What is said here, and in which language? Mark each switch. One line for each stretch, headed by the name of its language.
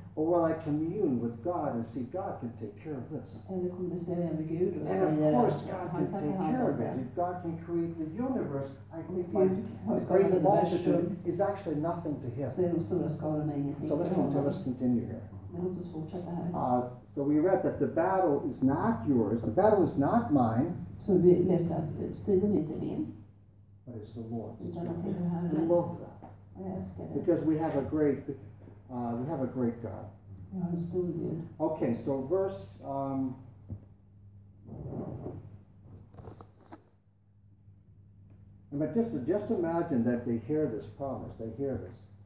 English: Or will I commune with God and see God can take care of this?
Swedish: Eller kommunicerar jag med Gud och säger att han kan ta hand om det?
English: And of course God can take care of it. If God can create the universe, I think my great multitude is actually nothing to him.
Swedish: Ser de stora skalorna ingenting för honom?
English: So let's continue here.
Swedish: Men låt oss fortsätta här.
English: So we read that the battle is not yours, the battle is not mine.
Swedish: Så vi läste att striden inte är min.
English: But it's the Lord.
Swedish: Jag
English: love that. Because we have a great God.
Swedish: Ja, en stor Gud.
English: Okay, so verse... But just imagine that they hear this promise, they hear this.